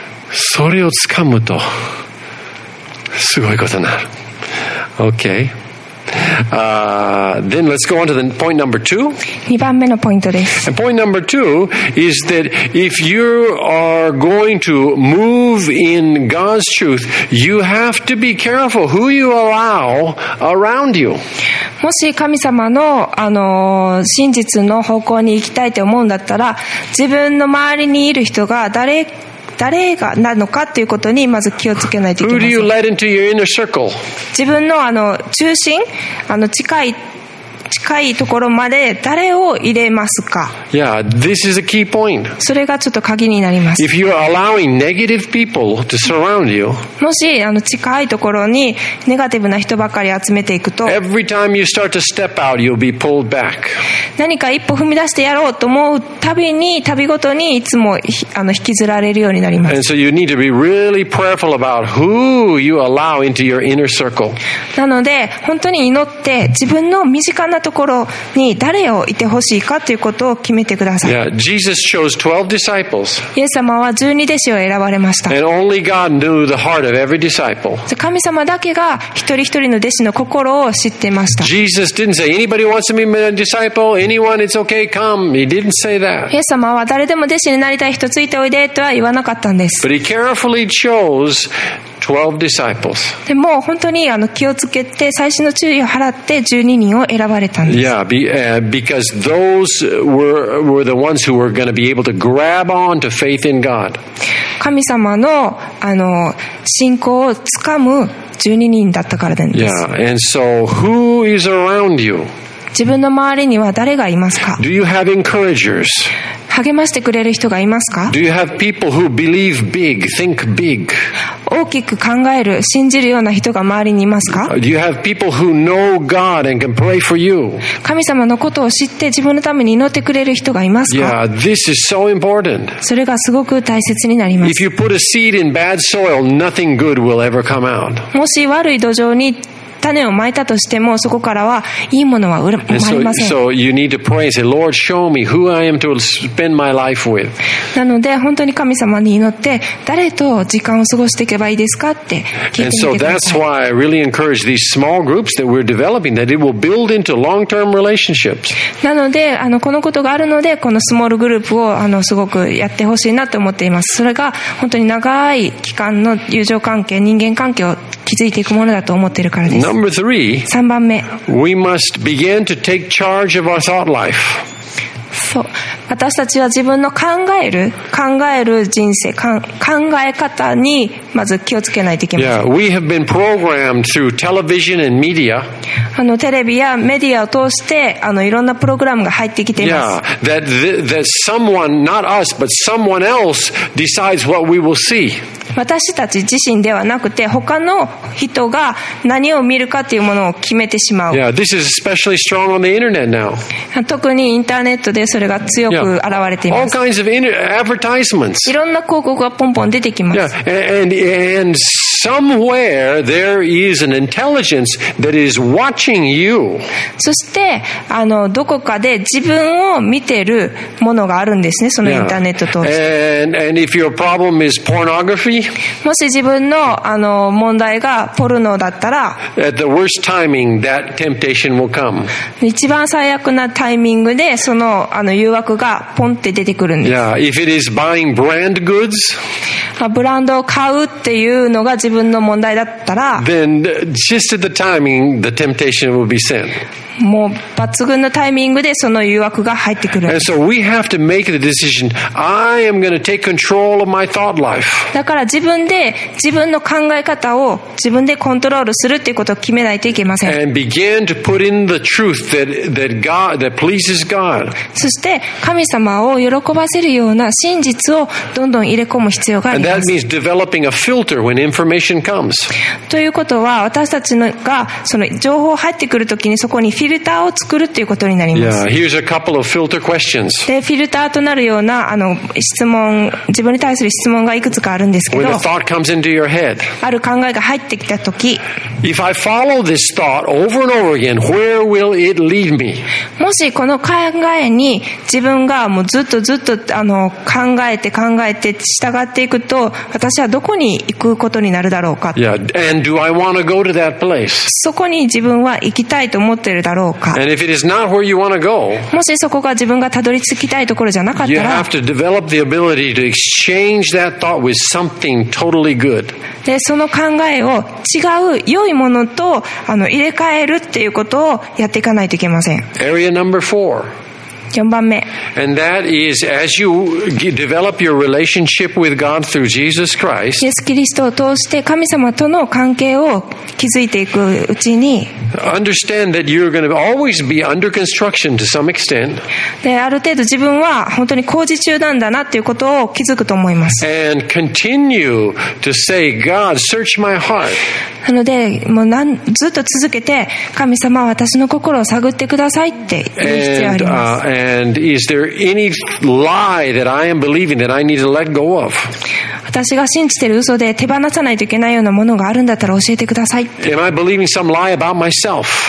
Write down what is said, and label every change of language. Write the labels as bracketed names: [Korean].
[Japanese] それを掴むとすごいことになる。 [English] OK、then let's go on to the point number two. [Japanese] 2番目のポイントです。 [English] And point number two is that if you are going to move in God's truth, you have to be careful who you allow around you. [Japanese] もし神様の、あの真実の方向に行きたいと思うんだったら、自分の周りにいる人が誰がなのかということにまず気をつけないといけません。自分の、あの中心、あの近いところまで誰を入れますか。 [English] Yeah, this is a key point. [Japanese] それがちょっと鍵になります。 [English] If you're allowing negative people to surround you, [Japanese] もしあの近いところにネガティブな人ばかり集めていくと、 [English] every time you start to step out, you'll be pulled back. [Japanese] 何か一歩踏み出してやろうと思うたびに、たびごとにいつもあの引きずられるようになります。 [English] And so you need to be really prayerful about who you allow into your inner circle. [Japanese] なので本当に祈って自分の身近なところに誰をいてほしいかということを決めてください。 [English] Yeah, Jesus chose 12 disciples. [Japanese] イエス様は12弟子を選ばれました。 [English] And only God knew the heart of every disciple. [Japanese] 神様だけが一人一人の弟子の心を知っていました。 [English] Jesus didn't say anybody wants to be a disciple, anyone, it's okay, come. He didn't say that. [Japanese] イエス様は誰でも弟子になりたい人ついておいでとは言わなかったんです。 [English] But he carefully chose 12 disciples. [Japanese] でも本当にあの気をつけて最新の注意を払って12人を選ばれたんです。 [English] Yeah, because those were the ones who were going to be able to grab on to faith in God. [Japanese] 神様のあの信仰をつかむ12人だったからなんです。 [English] Yeah, and so who is around you? [Japanese] 自分の周りには誰がいますか? [English] Do you have encouragers? [Japanese] 励ましてくれる人がいますか? [English] Do you have people who believe big, think big? [Japanese] 大きく考える、信じるような人が周りにいますか? [English] Do you have people who know God and can pray for you? [Japanese] 神様のことを知って自分のために祈ってくれる人がいますか? [English] Yeah, this is so important. [Japanese] それがすごく大切になります。 [English] If you put a seed in bad soil, nothing good will ever come out. [Japanese] もし悪い土壌に種をまいたとしてもそこからはいいものは生まれません。なので本当に神様に祈って誰と時間を過ごしていけばいいですかって聞いてみてください。 [English] these small groups that we're developing, that it will build into long-term relationships. [Japanese] なのであのこのことがあるのでこのスモールグループをあのすごくやってほしいなと思っています。それが本当に長い期間の友情関係、人間関係を築いていくものだと思っているからです。 [English] Number three, [Japanese] 3番目、 [English] we must begin to take charge of our thought life. [Japanese] そう、私たちは自分の考える人生、考え方にまず気をつけないといけません。 [English] Yeah, we have been programmed through television and media. [Japanese] あのテレビやメディアを通してあのいろんなプログラムが入ってきています。 [English] Yeah, that someone, not us, but someone else decides what we will see. [Japanese] 私たち自身ではなくて他の人が何を見るかというものを決めてしまう。 [English] Yeah, this is especially strong on the internet now. [Japanese] 特にインターネットでそれが強く現れています。 [English] All kinds of advertisements. [Japanese] いろんな広告がポンポン出てきます。 [English] Yeah, and somewhere there is an intelligence that is watching you. [Japanese] そしてどこかで自分を見てるものがあるんですね、そのインターネット通して。 [English] And if your problem is pornography, [Japanese] もし自分の問題がポルノだったら、 [English] at the worst timing, that temptation will come. [Japanese] 一番最悪なタイミングでその誘惑がポンって出てくるんです。 [English] Yeah, if it is buying brand goods, [Japanese] ブランドを買うっていうのが自分の問題だったら、 [English] then just at the timing, the temptation will be sent. [Japanese] もう抜群のタイミングでその誘惑が入ってくる。 [English] And so we have to make the decision. I am going to take control of my thought life. [Japanese] だから自分で自分の考え方を自分でコントロールするっていうことを決めないといけません。 [English] And begin to put in the truth that pleases God. [Japanese] そして神様を喜ばせるような真実をどんどん入れ込む必要があります。 [English] And that means developing a filter when information comes. [Japanese] ということは私たちがその情報入ってくるときにそこにフィルターを作るということになります。 [English] Yeah, here's a couple of filter questions. [Japanese] で、フィルターとなるような質問、自分に対する質問がいくつかあるんですけど、 [English] When a thought comes into your head, [Japanese] ある考えが入ってきたとき、 [English] If I follow this thought over and over again, where will it lead me? [Japanese] もしこの考えに自分がもうずっとずっと考えて考えて従っていくと、私はどこに行くことになるだろうか。 [English] Yeah, and do I want to go to that place? [Japanese] そこに自分は行きたいと思って [English] And if it is not where you want to go, [Japanese] もしそこが自分がたどり着きたいところじゃなかったら、 [English] you have to develop the ability to exchange that thought with something totally good. [Japanese] で、その考えを違う良いものと入れ替えるっていうことをやっていかないといけません。 [English] Area number four. [Japanese] 4番目。 [English] And that is as you develop your relationship with God through Jesus Christ, [Japanese] イエス・キリストを通して神様との関係を築いていくうちに、 [English] understand that you're going to always be under construction to some extent. [Japanese] で、ある程度自分は本当に工事中なんだなということを気づくと思います。 [English] And continue to say, God, search my heart. [Japanese] なので、もうずっと続けて、神様は私の心を探ってくださいって言う必要があります。 [English] And is there any lie that I am believing that I need to let go of? [Japanese] 私が信じている嘘で手放さないといけないようなものがあるんだったら教えてください。 [English] Am I believing some lie about myself?